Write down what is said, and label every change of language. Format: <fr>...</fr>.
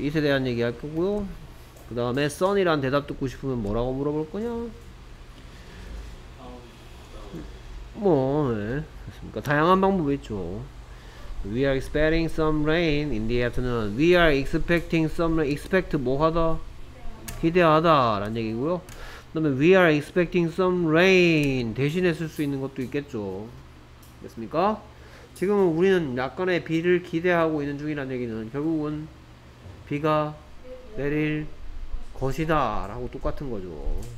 <ko>이에 대한 얘기할 거고요. 그 다음에 sunny란 대답 듣고 싶으면 뭐라고 물어볼 거냐? 뭐, 네. 그러니까 다양한 방법이 있죠.</ko> <en>We are expecting some rain in the afternoon. We are expecting some rain. Expect</en> <ko>뭐하다? 기대하다라는 얘기고요. 그다음에</ko> <en>we are expecting some rain</en> <ko>대신에 쓸 수 있는 것도 있겠죠. 됐습니까? 지금은 우리는 약간의 비를 기대하고 있는 중이라는 얘기는 결국은 비가 내릴 것이다라고 똑같은 거죠.</ko>